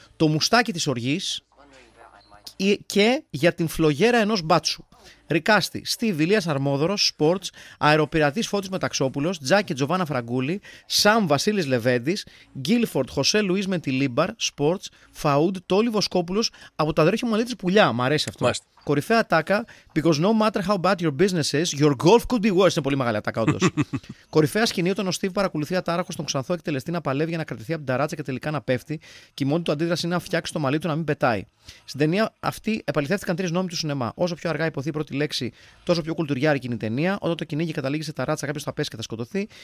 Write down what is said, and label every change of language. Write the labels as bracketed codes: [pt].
[el] Το μουστάκι της οργής και για την φλογέρα ενός μπάτσου. Ρικάστη, Στίβ, Ηλίας Αρμόδωρος, Σπορτς, Αεροπειρατής Φώτης Μεταξόπουλος, Τζάκι Τζοβάνα Φραγκούλη, Σαμ Βασίλης Λεβέντης, Γκίλφορντ, Χωσέ Λουίς Μεντιλίμπαρ, Σπορτς, Φαούντ, Τόλι Βοσκόπουλος από τα αδέρφια μου αλήτης πουλιά. Μ' αρέσει αυτό. Μάλιστα. Κορυφαία τάκα, [en] because no matter how bad your business is, your golf could be worse. [el] Είναι πολύ μεγάλη ατάκα, όντως. Κορυφαία σκηνή όταν ο Στίβ παρακολουθεί ατάραχο τον ξανθό εκτελεστή να παλεύει για να κρατηθεί από την ταράτσα και τελικά να πέφτει, και η μόνη του αντίδραση είναι να φτιάξει το μαλλί του να μην πετάει. Στην ταινία αυτή επαληθεύτηκαν τρεις νόμοι του σινεμά. Όσο πιο αργά υποθεί η πρώτη λέξη, τόσο πιο κουλτουριάρικη είναι η ταινία. Όταν το κυνήγι καταλήγει σε ταράτσα, κάποιο θα πέσει και θα σκοτωθεί.